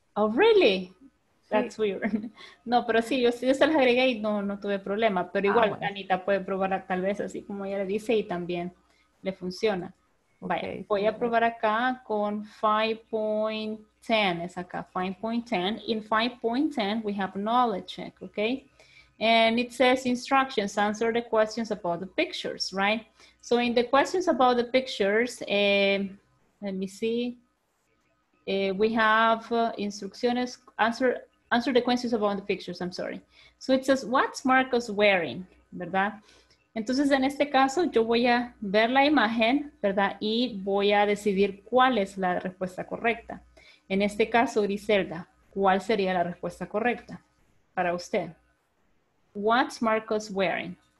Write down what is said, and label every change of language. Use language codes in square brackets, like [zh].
[en] Oh, really? That's weird. [es] No, pero sí, yo se las agregué y no tuve problema. Pero igual, bueno. Anita puede probar tal vez así como ella le dice y también le funciona. Okay, vale, voy a probar acá con 5.10, es acá, 5.10. [en] In 5.10, we have knowledge check, okay? And it says instructions, answer the questions about the pictures, right? So in the questions about the pictures, let me see. We have [es] instrucciones, [en] answer the questions about the pictures, I'm sorry. So it says, what's Marcos wearing, [es] ¿verdad? Entonces, en este caso, yo voy a ver la imagen, ¿verdad? Y voy a decidir cuál es la respuesta correcta. En este caso, Griselda, ¿cuál sería la respuesta correcta para usted? [en] What's Marcos wearing?